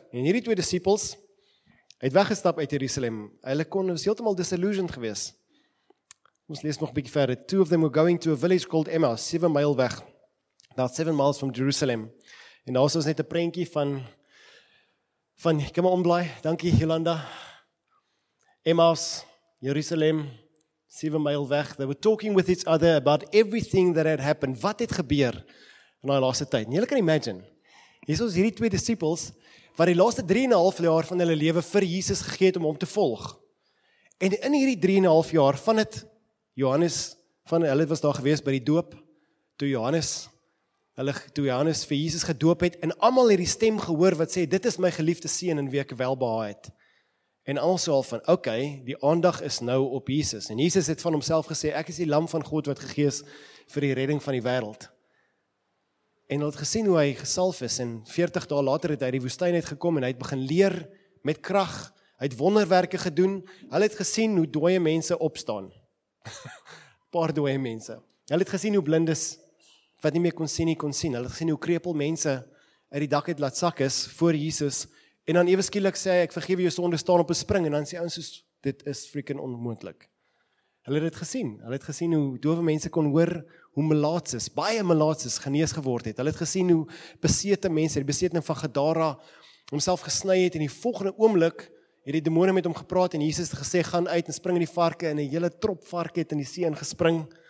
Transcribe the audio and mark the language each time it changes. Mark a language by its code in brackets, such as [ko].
[af] En hierdie 2 disippels, het weggestap uit Jerusalem. Hulle kon, was heeltemal disillusioned gewees. Ons lees nog 'n bietjie verder. [en] 2 of them were going to a village called Emmaus, [af] 7 mile weg. [en] About 7 miles from Jerusalem. [af] En daar was net 'n prentjie van kom maar omblaai. Dankie Jolanda. Emmaus, Jerusalem, 7 mile weg. [en] They were talking with each other about everything that had happened. [af] Wat het gebeur in daai laaste tyd? Jy kan imagine. Hier is ons hierdie 2 disippels wat die laaste 3.5 jaar van hulle lewe vir Jesus gegee het om hom te volg. En in hierdie 3.5 jaar van het Johannes, van hulle was daar gewees by die doop, toe Johannes vir Jesus gedoop het, en almal het die stem gehoor wat sê, dit is my geliefde seun in wie ek welbehae het. En almal sê al van, okay, die aandag is nou op Jesus. En Jesus het van homself gesê, ek is die lam van God wat gegee is vir die redding van die wêreld. En hulle het gesien hoe hy gesalf is en 40 dae later het hy die woestyn uit gekom en hy het begin leer met krag. Hy het wonderwerke gedoen. Hulle het gesien hoe dooie mense opstaan. Paar dooie mense. Hulle het gesien hoe blindes wat nie meer kon sien nie kon sien. Hulle het gesien hoe krepel mense uit die dak het laat sak is voor Jesus. En dan eweskielik sê hy ek vergewe jou sonde staan op 'n spring en dan sê ouens soos dit is freaking onmoontlik. Hulle het dit gesien. Hulle het gesien hoe doewe mense kon hoor, hoe melaatses, baie melaatses genees geword het. Hulle het gesien hoe besete mense, die besetening van Gadara, homself gesny het en die volgende oomblik het die demone met hom gepraat en Jesus het gesê, gaan uit en spring in die varke en 'n hele trop varke het in die see ingespring.